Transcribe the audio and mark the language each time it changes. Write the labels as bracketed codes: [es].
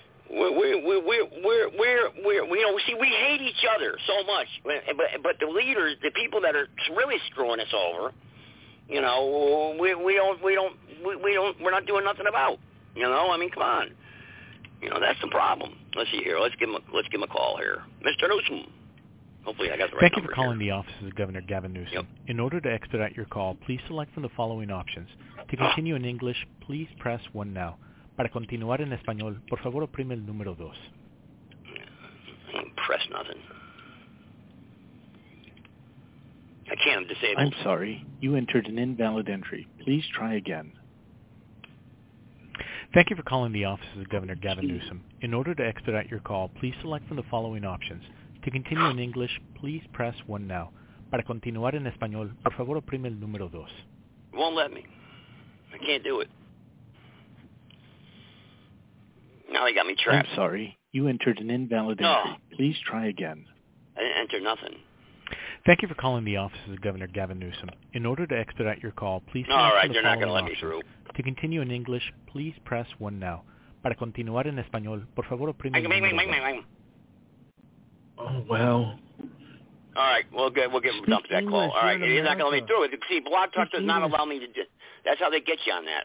[en] We hate each other so much, but the leaders, the people that are really screwing us over, you know, we're not doing nothing about. You know, I mean, come on. You know, that's the problem. Let's see here. Let's give him a call here, Mr. Newsom. Hopefully, I got the right Thank you for calling here. The office of Governor Gavin Newsom. Yep. In order to expedite your call, please select from the following options. To continue in English, please press 1 now. [es] Para continuar en español, por favor, oprime el número 2. [en] Press nothing. I can't. I'm disabled. I'm sorry. You entered an invalid entry. Please try again. Thank you for calling the office of Governor Gavin Newsom. In order to expedite your call, please select from the following options. To continue in English, please press 1 now. [es] Para continuar en español, por favor, oprime el número 2. [en] Won't let me. I can't do it. Now they got me trapped. I'm sorry. You entered an invalid entry. Please try again. I didn't enter nothing. Thank you for calling the office of Governor Gavin Newsom. In order to expedite your call, please select from the following options. All right, you're not going to let me through. To continue in English, please press 1 now. [es] Para continuar en español, por favor, oprime el número 2. [en] Oh, well. All right, we'll give him a dump that call. All right, he's not going to let me through it. See, Blog Talk does not allow me to do that's how they get you on that.